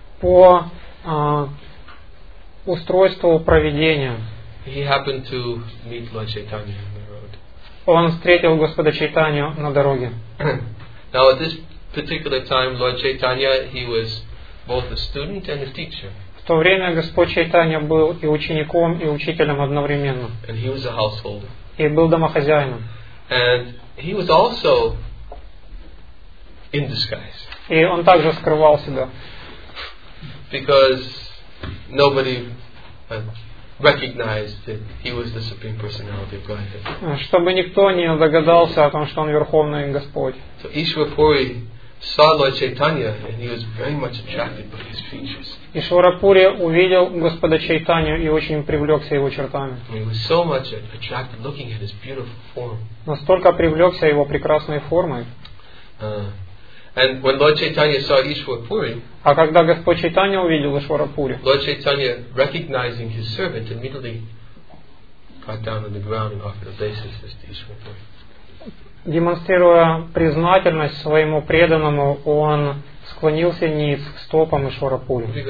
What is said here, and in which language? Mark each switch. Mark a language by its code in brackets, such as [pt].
[ru] по устройству проведения, [en] he happened to meet Lord Chaitanya on the road. [ru] Он встретил Господа Чайтанью на дороге. [en] Now at this particular time, Lord Chaitanya, he was both a student and a teacher. [ru] В то время Господь Чайтанья был и учеником, и учителем одновременно. [en] And he was a householder. [ru] И был домохозяином. [en] And he was also in disguise. [ru] И он также скрывал себя. [en] Because nobody recognized that he was the Supreme Personality of Godhead. [ru] Чтобы никто не догадался о том, что он Верховный Господь. [en] So Ishwarapuri saw Lord Chaitanya and he was very much attracted by his features. [ru] Ишварапури увидел Господа Чайтанью и очень привлекся его чертами. [en] He was so much attracted looking at his beautiful form. [ru] Настолько привлекся его прекрасной формой. [en] And when Lord Chaitanya saw Ishwarapuri, [ru] а когда Господь Чайтанья увидел Ишварапури, [en] Lord Chaitanya, recognizing his servant, immediately got down on the ground and offered obeisances to Ishwarapuri. [ru] Демонстрируя признательность своему преданному, он склонился ниц к стопам Ишварапури.